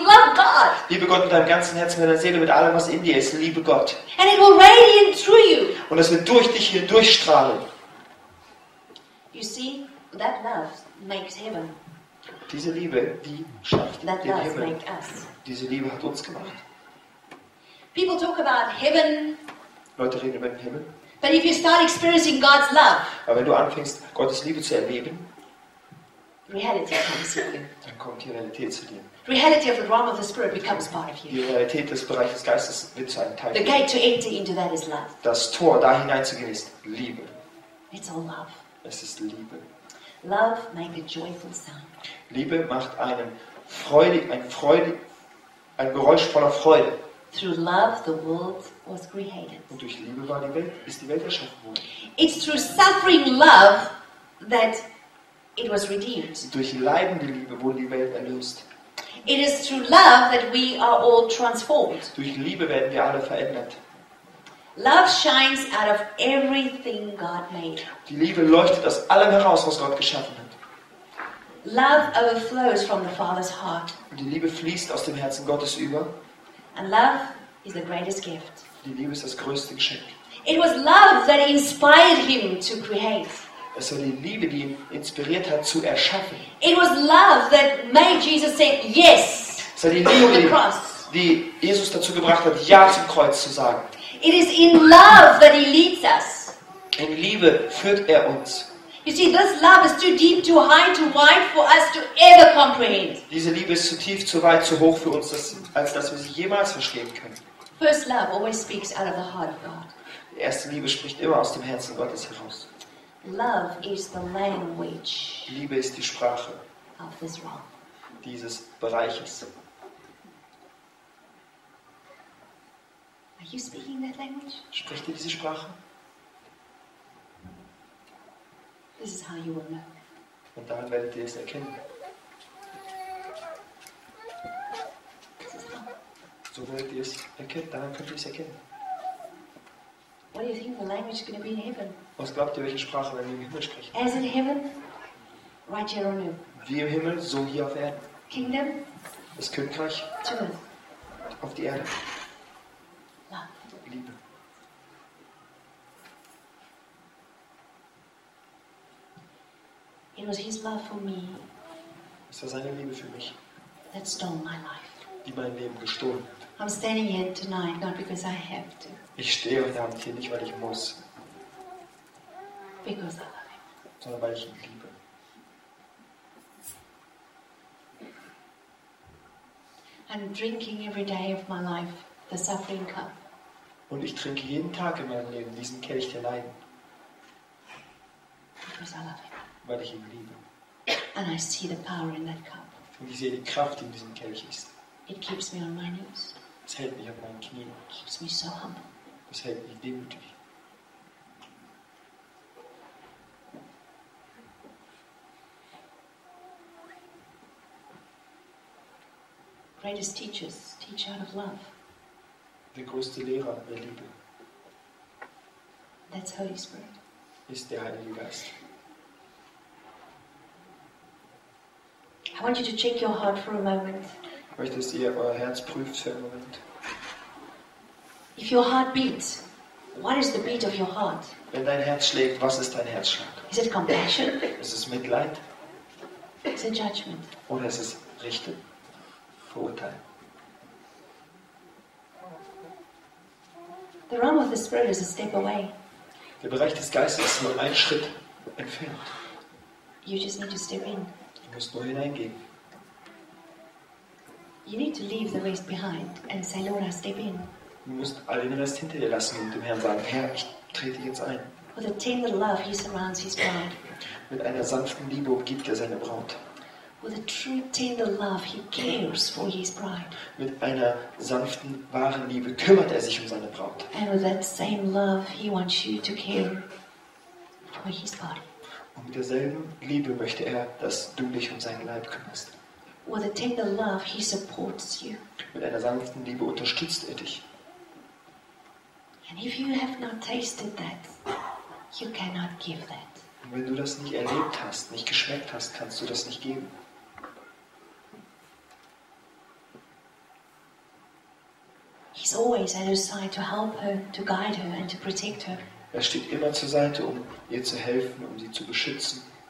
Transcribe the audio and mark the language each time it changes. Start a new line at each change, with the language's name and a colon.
English: Love God.
German: Liebe Gott mit deinem ganzen Herzen, mit deiner Seele, mit allem, was in dir ist. Liebe Gott.
English: And it will radiate through you.
German: Und es wird durch dich hier durchstrahlen.
English: You see, that love makes heaven.
German: Diese Liebe, die schafft
English: that
German: den
English: love
German: Himmel.
English: Make us.
German: Diese Liebe hat uns gemacht.
English: People talk about heaven.
German: Leute reden über den Himmel.
English: But if you start experiencing God's love,
German: aber wenn du anfängst, Gottes Liebe zu erleben,
English: reality comes to you.
German: Dann kommt die Realität zu dir.
English: Reality of the realm of the spirit becomes part of you.
German: Die Realität des Bereiches des Geistes wird zu einem Teil.
English: The gate to enter into that is love.
German: Das Tor, da hineinzugehen, ist Liebe.
English: It's all love.
German: Es ist Liebe.
English: Love makes a joyful sound.
German: Liebe macht einen ein Geräusch voller Freude.
English: Through love, the world was created.
German: Und durch Liebe war die Welt, ist die Welt erschaffen worden.
English: It's through suffering love that it was redeemed.
German: Durch leidende Liebe wurde die Welt erlöst.
English: It is through love that we are all transformed.
German: Durch Liebe werden wir alle verändert.
English: Love shines out of everything God made.
German: Die Liebe leuchtet aus allem heraus, was Gott geschaffen hat.
English: Love overflows from the Father's heart.
German: Die Liebe fließt aus dem Herzen Gottes über.
English: And love is the greatest gift.
German: Die Liebe ist das größte Geschenk.
English: It was love that inspired him to create.
German: Es war die Liebe, die ihn inspiriert hat zu erschaffen.
English: It was love that made Jesus say yes.
German: Es war die Liebe, die Jesus dazu gebracht hat, ja zum Kreuz zu sagen.
English: It is in love that he leads us.
German: In Liebe führt er uns.
English: You see, this love is too deep, too high, too wide for us to ever comprehend.
German: Diese Liebe ist zu tief, zu weit, zu hoch für uns, als dass wir sie jemals verstehen können.
English: First love always speaks out of the heart of God.
German: Die erste Liebe spricht immer aus dem Herzen Gottes heraus.
English: Love is the language.
German: Liebe ist die Sprache
English: of this realm.
German: Dieses Bereiches.
English: Are you speaking that language?
German: Sprecht ihr diese Sprache?
English: This is how you will know.
German: Und daran werdet ihr es erkennen.
English: This is how.
German: So werdet ihr es erkennen. Daran könnt ihr es erkennen.
English: What do you think the language is going to be in heaven?
German: Was glaubt ihr, welche Sprache werden wir im Himmel sprechen?
English: As in heaven, right here on earth.
German: Wie im Himmel, so hier auf Erden.
English: Kingdom.
German: Das Königreich.
English: To earth.
German: Auf die Erde.
English: Love.
German: Liebe.
English: It was his love for me.
German: Es war seine Liebe für mich.
English: That stole my life.
German: Die mein Leben gestohlen hat.
English: I'm standing here tonight, not because I have to.
German: Ich stehe heute Abend hier nicht, weil ich muss.
English: Because I love him.
German: Sondern weil ich ihn liebe.
English: I'm drinking every day of my life the suffering cup.
German: Und ich trinke jeden Tag in meinem Leben diesen Kelch der Leiden.
English: Because I love him.
German: Weil ich ihn liebe.
English: And I see the power in that cup.
German: Und ich sehe die Kraft, die in diesem Kelch ist.
English: It keeps me on my knees.
German: Es hält mich auf meinen Knien.
English: It keeps me so humble.
German: Es hält mich demütig.
English: Greatest teachers teach out of love.
German: Der größte Lehrer der Liebe.
English: That's Holy Spirit.
German: ist der Heilige Geist.
English: I want you to check your heart for a moment.
German: Ich möchte, dass ihr euer Herz prüft für einen Moment.
English: If your heart beats, what is the beat of your heart?
German: Wenn dein Herz schlägt, was ist dein Herzschlag?
English: Is it compassion?
German: Ist es Mitleid?
English: Is it judgment?
German: Oder ist es Richten, Verurteilen?
English: The realm of the spirit is a step away.
German: Der Bereich des Geistes ist nur ein Schritt entfernt.
English: You just need to step in.
German: Du musst nur hineingehen.
English: You need to leave the rest behind and say, Lord, I step in.
German: Du musst all den Rest hinter dir lassen und dem Herrn sagen, Herr, ich trete jetzt ein.
English: With a tender love, he surrounds his bride.
German: Mit einer sanften Liebe umgibt er seine Braut.
English: With a true tender love, he cares for his bride.
German: Mit einer sanften, wahren Liebe kümmert er sich um seine Braut.
English: And with that same love, he wants you to care for his body.
German: Und mit derselben Liebe möchte er, dass du dich um seinen Leib kümmerst.
English: With a tender love, he supports you.
German: Mit einer sanften Liebe unterstützt er dich.
English: And if you have not tasted that, you cannot give that.
German: Und wenn du das nicht erlebt hast, nicht geschmeckt hast, kannst du das nicht geben.
English: He's always at her side to help her, to guide her and to protect her.
German: Er steht immer zur Seite, um ihr zu helfen, um sie zu beschützen.